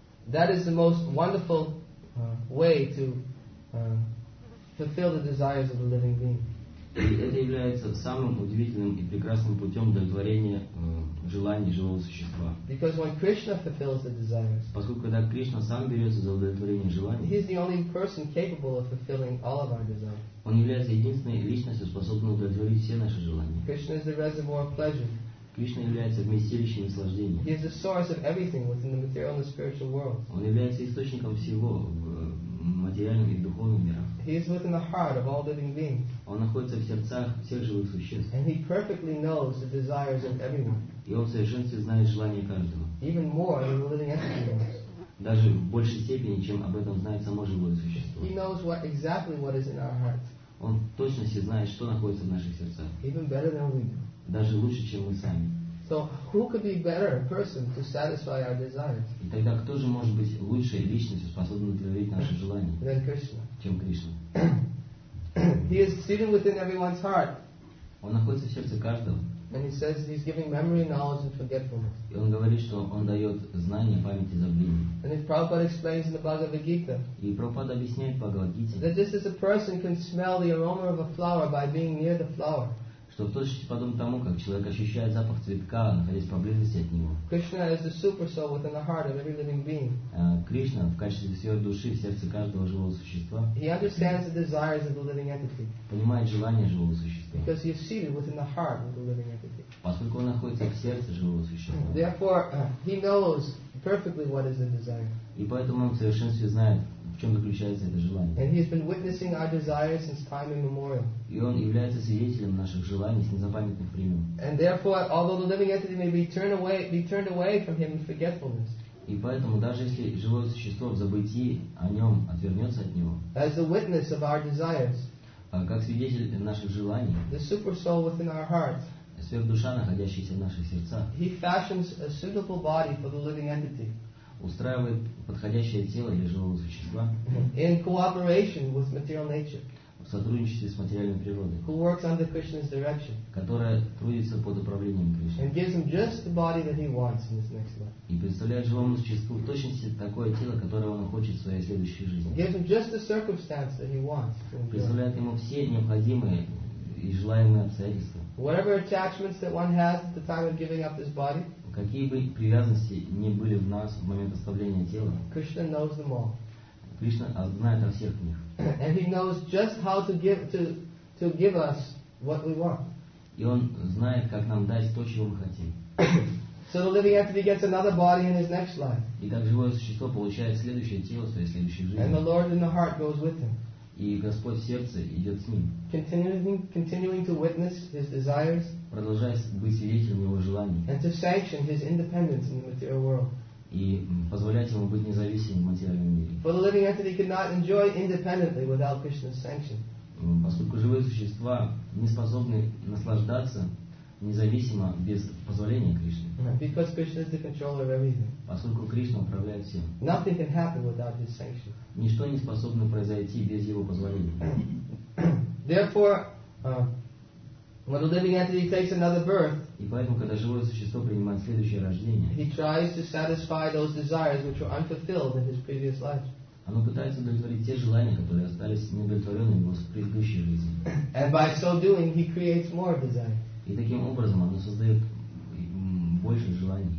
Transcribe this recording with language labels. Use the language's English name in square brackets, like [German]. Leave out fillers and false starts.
[English] That is the most wonderful way to fulfill the desires of the living being. [Russian] И это является самым удивительным и прекрасным путем удовлетворения желаний живого существа. [English] Because when Krishna fulfills the desires, [Russian] поскольку когда Кришна сам берется за удовлетворение желаний, [English] he is the only person capable of fulfilling all of our desires. [Russian] Он является единственной личностью, способной удовлетворить все наши желания. [English] Krishna is the reservoir of pleasure. [Russian] Кришна является вместилищем наслаждения. [English] He is the source of everything within the material and the spiritual world. [Russian] Он является источником всего в материальном и духовном мирах. [English] He is within the heart of all living beings. [Russian] Он находится в сердцах всех живых существ. [English] And he perfectly knows the desires of everyone. [Russian] И он в совершенстве знает желания каждого. [English] Even more than the living entity knows. [Russian] Даже в большей степени, чем об этом знает само живое существо. [English] He knows what exactly what is in our hearts. [Russian] Он точно все знает, что находится в наших сердцах. [English] Even better than we know. [Russian] Даже лучше, чем мы сами. [English] So who could be better person to satisfy our desires? [Russian] И тогда кто же может быть лучшей личностью, способной удовлетворить наши желания? [English] Than Krishna. [Russian] Чем Кришна? [English] He is sitting within everyone's heart. [Russian] Он находится в сердце каждого. [English] And he says he's giving memory, knowledge, and forgetfulness. [Russian] И он говорит, что он дает знания, память и забвение. [English] And if Prabhupada explains in the Bhagavad Gita, [Russian] и Прабхупада объясняет в Бхагавад Гите, [English] that just as a person can smell the aroma of a flower by being near the flower, [Russian] что в точности подобно тому, как человек ощущает запах цветка, находясь поблизости от него. [English] Krishna is the super soul within the heart of every living being. [Russian] Кришна в качестве всей души в сердце каждого живого существа. [English] He understands the desires of the living entity. [Russian] Понимает желания живого существа. [English] Because he is seated within the heart of the living entity. [Russian] Поскольку он находится в сердце живого существа. [English] Therefore, he knows perfectly what is the desire. [Russian] И поэтому он в совершенстве знает, в чем заключается это желание. [English] And he has been witnessing our desires since time immemorial. [Russian] И он является свидетелем наших желаний с незапамятных времен. [English] And therefore, although the living entity may be turned away from him in forgetfulness. [Russian] И поэтому даже если живое существо в забытии о нем отвернется от него. [English] As a witness of our desires. [Russian] Как свидетель наших желаний. [English] The super soul within our hearts. [Russian] Сверхдуша, находящаяся в наших сердцах. [English] He fashions a suitable body for the living entity. [Russian] Устраивает подходящее тело для живого существа. [English] In cooperation with material nature. [Russian] В сотрудничестве с материальной природой. [English] Who works under Krishna's direction. [Russian] Которая трудится под управлением Кришны. [English] And gives him just the body that he wants in his next life. [Russian] И представляет живому существу в точности такое тело, которое он хочет в своей следующей жизни. [English] Gives him just the circumstance that he wants. [Russian] Представляет ему все необходимые и желаемые обстоятельства. [English] Whatever attachments that one has at the time of giving up this body. [Russian] Какие бы привязанности ни были в нас в момент оставления тела, [English] Krishna knows them all. [Russian] Кришна знает о всех них. [English] And he knows just how to give us what we want. [Russian] И он знает, как нам дать то, чего мы хотим. [English] So the living entity gets another body in his next life. [Russian] И так живое существо получает следующее тело в своей следующей жизни. [English] And the Lord in the heart goes with him. [Russian] И Господь в сердце идет с ним. [English] Continuing to witness his desires. [Russian] Продолжая быть свидетелем его желаний. [English] And to sanction his independence in the material world. [Russian] И позволять ему быть независимым в материальном мире. [English] For the living entity could not enjoy independently without Krishna's sanction. [Russian] Поскольку живые существа не способны наслаждаться независимо без позволения Кришны. [English] Because Krishna is the controller of everything. [Russian] Поскольку Кришна управляет всем. [English] Nothing can happen without his sanction. [Russian] Ничто не способно произойти без его позволения. [English] Therefore, when the living entity takes another birth, [Russian] и поэтому, когда живое существо принимает следующее рождение, [English] he tries to satisfy those desires which were unfulfilled in his previous life. [Russian] Оно пытается удовлетворить те желания, которые остались неудовлетворенными в его предыдущей жизни. [English] And by so doing, he creates more desires. [Russian] И таким образом оно создает больше желаний.